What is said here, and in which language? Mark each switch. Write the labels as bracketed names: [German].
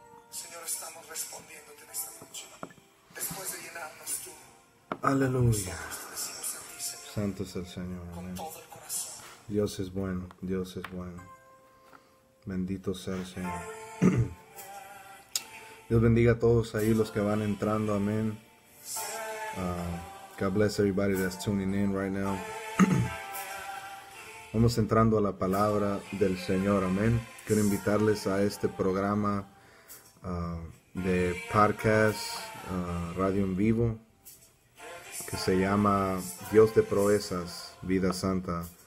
[Spanish] Señor, estamos respondiéndote en esta noche. Después de llenarnos tú. Aleluya. Santo es el Señor. Con todo el corazón. Dios es bueno, Dios es bueno. Bendito sea el Señor. Dios bendiga a todos ahí los que van entrando, amén. [English] God bless everybody that's tuning in right now. [Spanish] Vamos entrando a la palabra del Señor, amén. Quiero invitarles a este programa de podcast, radio en vivo, que se llama Dios de Proezas, Vida Santa.